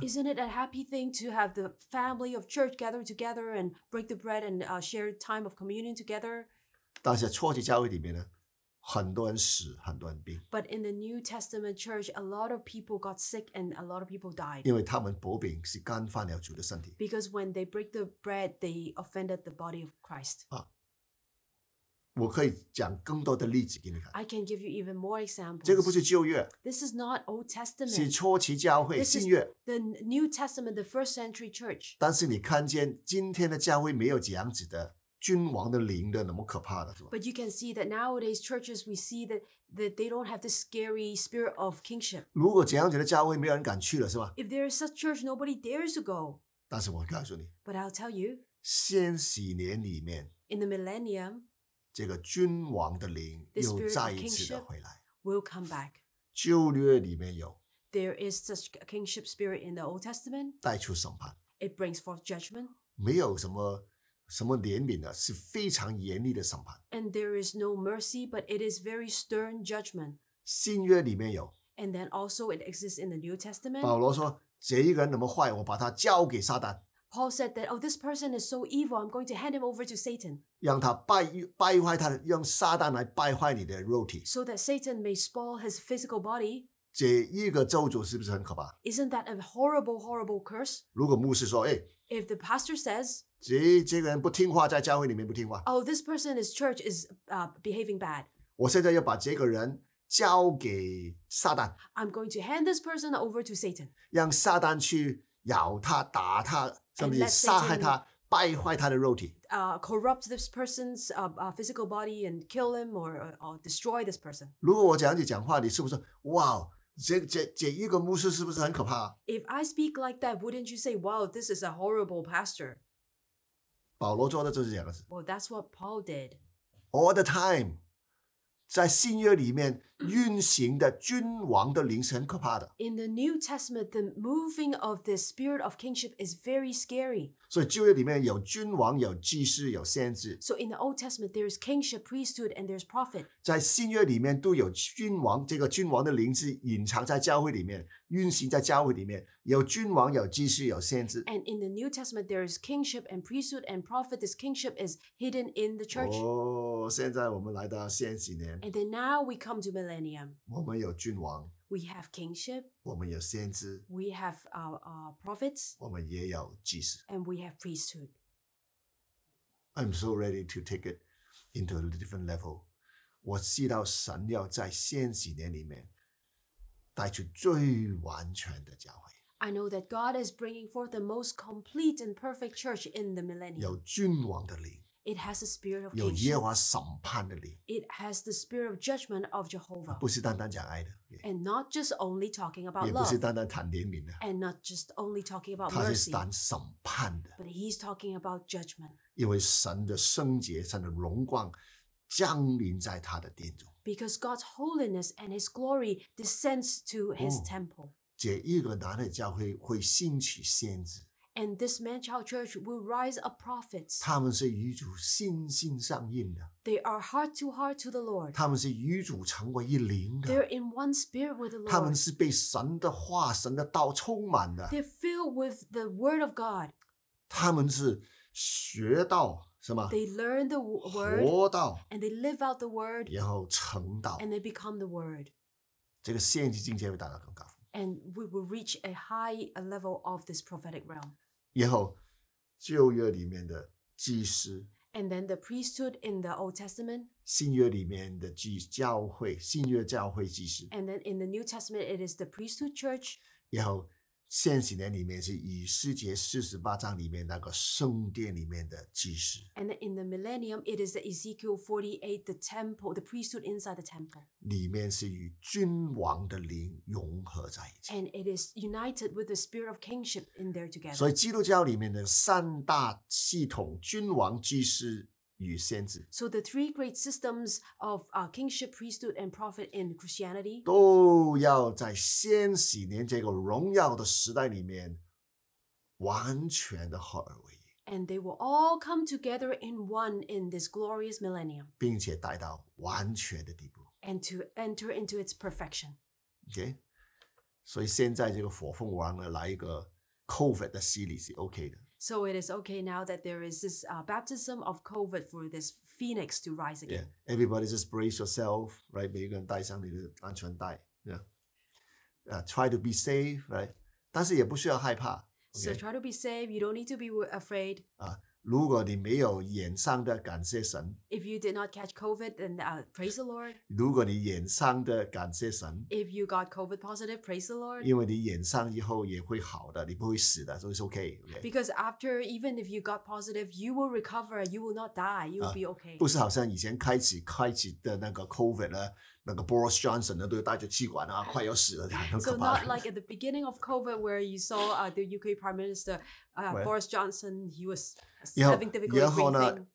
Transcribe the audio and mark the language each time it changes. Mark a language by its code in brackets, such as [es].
[en] Isn't it a happy thing to have the family of church gather together and break the bread and share time of communion together? [zh] 但是初期教会里面呢，很多人死，很多人病。 [en] But in the New Testament church, a lot of people got sick and a lot of people died. [zh] 因为他们薄饼是干犯了主的身体。 [en] Because when they break the bread, they offended the body of Christ. [zh] 啊，我可以讲更多的例子给你看。 [en] I can give you even more examples. [zh] 这个不是旧约。 [en] This is not Old Testament. [zh] 是初期教会新约。 [en] This is the New Testament, the first century church. [zh] 但是你看见今天的教会没有这样子的。君王的灵的那么可怕的是吧 [en] ？But you can see that nowadays churches we see that they don't have the scary spirit of kingship. [zh] 如果这样子的教会没有人敢去了是吧 [en] ？If there is such church, nobody dares to go. [zh] 但是我告诉你 [en] ，But I'll tell you， [zh] 千禧年里面 [en] ，In the millennium， [zh] 这个君王的灵又再一次的回来 [en] ，Will come back. [zh] 旧约里面有 [en] ，There is such a kingship spirit in the Old Testament. [zh] 带出审判 [en] ，It brings forth judgment. [zh] 没有什么。什么怜悯呢？是非常严厉的审判。 [en] And there is no mercy, but it is very stern judgment. [zh] 新约里面有。 [en] And then also it exists in the New Testament. [zh] 保罗说：“这一个人那么坏，我把他交给撒旦。” [en] Paul said that, "Oh, this person is so evil. I'm going to hand him over to Satan." [zh] 让他败坏他，让撒旦来败坏你的肉体。 [en] So that Satan may spoil his physical body. [zh] 这一个咒诅是不是很可怕 [en] ？Isn't that a horrible, horrible curse? [zh] 如果牧师说：“哎。” [en] If the pastor says. [zh] 这个人不听话，在教会里面不听话。 [en] Oh, this person is church is behaving bad. [zh] 我现在要把这个人交给撒旦。 [en] I'm going to hand this person over to Satan. [zh] 让撒旦去咬他、打他，甚至杀害他、败坏他的肉体。 [en] Corrupt this person's physical body and kill him or destroy this person. [zh] 如果我这样子讲话，你是不是哇？这一个牧师是不是很可怕 [en] ？If I speak like that, wouldn't you say, "Wow, this is a horrible pastor"? [zh] 保罗做的就是这样子。 [en] Well, that's what Paul did. All the time, [zh] 在新约里面运行的君王的灵是很可怕的。 [en] In the New Testament, the moving of the spirit of kingship is very scary. [zh] 所以旧约里面有君王、有祭司、有先知。 [en] So in the Old Testament, there is kingship, priesthood, and there's prophet. [zh] 在新约里面都有君王，这个君王的灵是隐藏在教会里面。运行在教会里面，有君王，有祭司，有先知。 [en] And in the New Testament, there is kingship and priesthood and prophet. This kingship is hidden in the church. [zh] 现在我们来到千禧年。 [en] And then now we come to millennium. [zh] 我们有君王。 [en] We have kingship. [zh] 我们有先知。 [en] We have our prophets. [zh] 我们也有祭司。 [en] And we have priesthood. I'm so ready to take it into a different level. [zh] 我知道神要在千禧年里面。带出最完全的教会。 [en] I know that God is bringing forth the most complete and perfect church in the millennium. [zh] 有君王的灵。 [en] It has the spirit of. [zh] 有耶和华审判的灵。 [en] It has the spirit of judgment of Jehovah. [zh] 不是单单讲爱的。 [en] And not just only talking about love. [zh] 也不是单单谈怜悯的。 [en] And not just only talking about mercy. [zh] 他是谈审判的。 [en] But he's talking about judgment. [zh] 因为神的圣洁、神的荣光降临在他的殿中。 [en] Because God's holiness and His glory descends to His temple. [zh] 这一个男的教会会兴起先知。 [en] And this man-child church will rise a prophet. [zh] 他们是与主心心相印的。 [en] They are heart to heart to the Lord. [zh] 他们是与主成为一灵的。 [en] They're in one spirit with the Lord. [zh] 他们是被神的话、神的道充满的。 [en] They're filled with the word of God. [zh] 他们是学道。 [en] They learn the word, [zh] 活道, [en] and they live out the word, [zh] 然后成道, [en] and they become the word. [zh] 这个先知境界会达到更高, [en] and we will reach a high level of this prophetic realm. [zh] 然后旧约里面的祭司, [en] and then the priesthood in the Old Testament, [zh] 新约里面的教会, 新约教会祭司, [en] and then in the New Testament, it is the priesthood church. [zh] 然后现行的里面是以斯帖四十八章里面那个圣殿里面的祭司。 [en] And in the millennium, it is the Ezekiel 48, the temple, the priesthood inside the temple. [zh] 里面是与君王的灵融合在一起。 [en] And it is united with the spirit of kingship in there together. [zh] 所以基督教里面的三大系统，君王、祭司与先知。 [en] So the three great systems of kingship, priesthood, and prophet in Christianity [zh] 都要在先禧年这个荣耀的时代里面完全的合而为一。 [en] And they will all come together in one in this glorious millennium. [zh] 并且带到完全的地步。 [en] And to enter into its perfection. [zh] Okay? 所以现在这个火凤凰来一个 COVID 的洗礼是 OK 的。 [en] So it is okay now that there is this baptism of COVID for this phoenix to rise again. Yeah, everybody just brace yourself, right? [zh] 每一个人带上你的安全带 [en] yeah. Try to be safe, right? [zh] 但是也不需要害怕 [en] So try to be safe, you don't need to be afraid. [zh] 如果你没有染上的感谢神 [en] If you did not catch COVID, then praise the Lord. [zh] 如果你染上的感谢神 [en] If you got COVID positive, praise the Lord. [zh] 因为你染上以后也会好的，你不会死的，所以是 OK, OK. [en] Because after, even if you got positive, you will recover, you will not die, you will be OK. [zh] 不是好像以前开始的那个 COVID 呢那个 Boris Johnson 呢都带着气管啊，快要死了，很可怕。 [en] So not like at the beginning of COVID where you saw the UK Prime Minister Boris Johnson, he was having difficulty breathing.